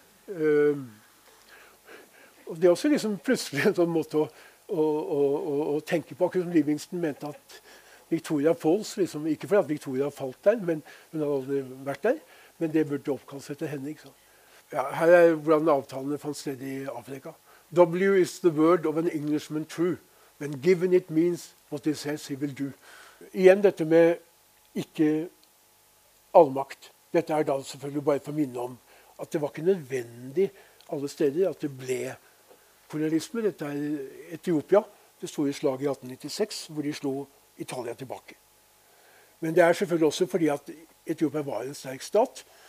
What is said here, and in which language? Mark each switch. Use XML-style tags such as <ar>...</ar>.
<no>Og det er også liksom plutselig en sånn måte å tenke på, akkurat som Livingston mente at Victoria Falls, liksom, ikke fordi at Victoria falt der, men hun hadde aldri vært der, men det burde oppkalles etter henne, ikke sant? Ja, her er hvordan avtalene fant sted i Afrika.</no> <en>W is the word of an Englishman true, when given it means what he says he will do.</en> <no>Igjen dette med ikke allmakt. Dette er da selvfølgelig bare for minne om at det var ikke nødvendig alle steder at det ble kolonialisme. Dette er Etiopia, det store slaget i 1896, hvor de slo Italia tilbake. Men det er selvfølgelig også fordi at Etiopia var en sterk stat.</no>